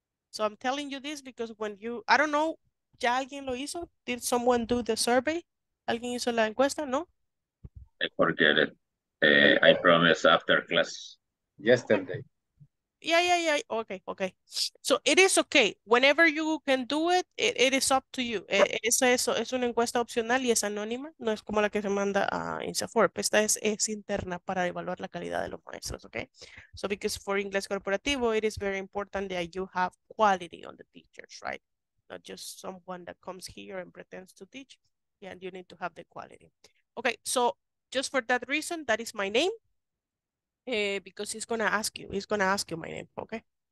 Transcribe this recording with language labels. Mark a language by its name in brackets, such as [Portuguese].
[English] So I'm telling you this because when you, I don't know, [Spanish] ¿ya alguien lo hizo? [English] Did someone do the survey? [Spanish] ¿Alguien hizo la encuesta, no? [English] I forget it. I promise after class. Yesterday. Yeah. Okay. So it is okay. Whenever you can do it, it is up to you. [Spanish] Eso es una encuesta opcional y es anónima. No es como la que se manda a INSAFORP. Esta es interna para evaluar la calidad de los maestros, okay? [English] So because for English Corporativo, it is very important that you have quality on the teachers, right? Not just someone that comes here and pretends to teach. Yeah, and you need to have the quality. Okay, so just for that reason, that is my name. Because he's gonna ask you my name, okay?